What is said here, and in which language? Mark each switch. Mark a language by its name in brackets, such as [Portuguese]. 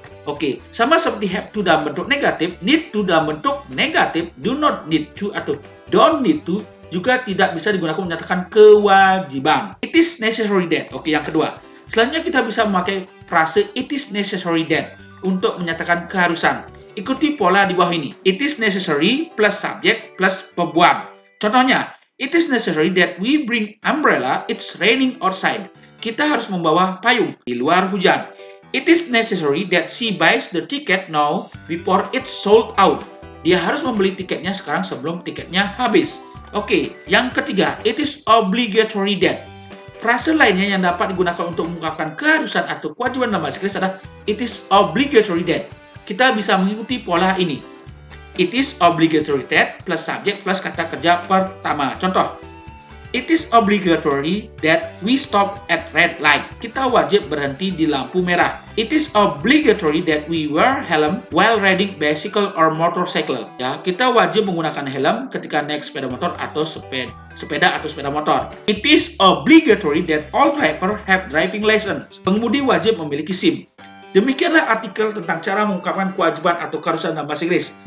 [Indonesian] Oke, sama seperti have to dalam bentuk negatif, need to dalam bentuk negatif, do not need to atau don't need to juga tidak bisa digunakan menyatakan kewajiban. [English] It is necessary that. [Indonesian] Oke, yang kedua. Selanjutnya kita bisa memakai frase [English] it is necessary that [Indonesian] untuk menyatakan keharusan. Ikuti pola di bawah ini. [English] It is necessary plus subject plus [Indonesian] perbuatan. Contohnya, [English] it is necessary that we bring umbrella, it's raining outside. [Indonesian] Kita harus membawa payung di luar hujan. [English] It is necessary that she buys the ticket now before it's sold out. [Indonesian] Dia harus membeli tiketnya sekarang sebelum tiketnya habis. Oke, yang ketiga, [English] it is obligatory that. [Indonesian] Frase lainnya yang dapat digunakan untuk mengungkapkan keharusan atau kewajiban dalam bahasa Inggris adalah [English] it is obligatory that. [Indonesian] Kita bisa mengikuti pola ini. [English] It is obligatory that plus subject plus [Indonesian] kata kerja pertama. Contoh, [English] it is obligatory that we stop at red light. [Indonesian] Kita wajib berhenti di lampu merah. [English] It is obligatory that we wear helm while riding bicycle or motorcycle. [Indonesian] Ya, kita wajib menggunakan helm ketika naik sepeda motor atau sepeda atau sepeda motor. [English] It is obligatory that all driver have driving license. [Indonesian] Pengemudi wajib memiliki SIM. Demikianlah artikel tentang cara mengungkapkan kewajiban atau keharusan dalam bahasa Inggris.